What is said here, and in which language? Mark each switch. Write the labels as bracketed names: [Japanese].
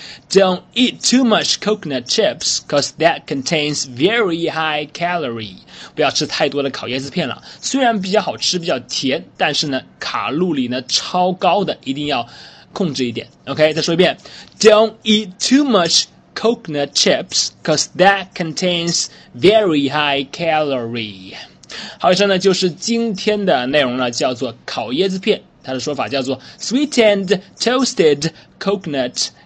[English] Don't eat too much coconut chips because that contains very high calorie。 [Chinese] 不要吃太多的烤椰子片了，虽然比较好吃比较甜，但是呢卡路里呢超高的，一定要控制一点。 OK， 再说一遍。 [English] Don't eat too much coconut chips because that contains very high calorie。 [Chinese] 好，以上呢就是今天的内容了，叫做烤椰子片，它的说法叫做 [English] sweetened toasted coconutChips。